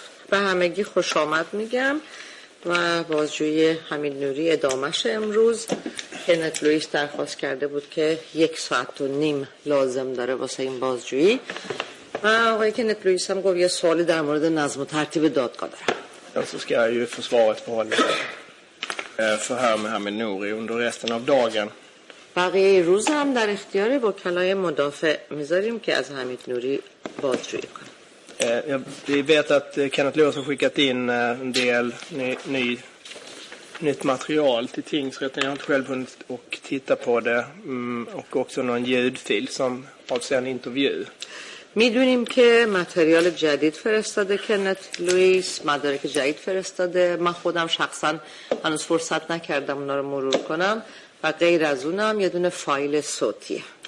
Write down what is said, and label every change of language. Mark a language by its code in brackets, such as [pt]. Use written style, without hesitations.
[fa] به همه گی خوش آمد میگم و بازجوی حمید نوری ادامش امروز. کنت لویس درخواست کرده بود که یک ساعت و نیم لازم داره واسه این بازجویی و آقای کنت لویس هم گفت یه سوالی در مورد نظم و ترتیب دادگاه دارم. [sv] Så ska jag ju få svaret på förhör med Hamid Noury under resten av dagen. [fa] بقیه روز هم در اختیار وکلای مدافع میذاریم که از حمید نوری بازجویی کنه. [sv] Vi vet att Kenneth Lewis har skickat in en del nytt material till tingsrätten. Jag har inte själv hunnit och titta på det. Och också någon ljudfil som avser en intervju. [fa] میدونیم که material جدید فرستاده Kenneth Lewis. مدارک جدید فرستاده. من خودم شخصا هنوز فرصت نکردم اونا رو مرور کنم. و غیر از اونم یه دونه فایل صوتیه.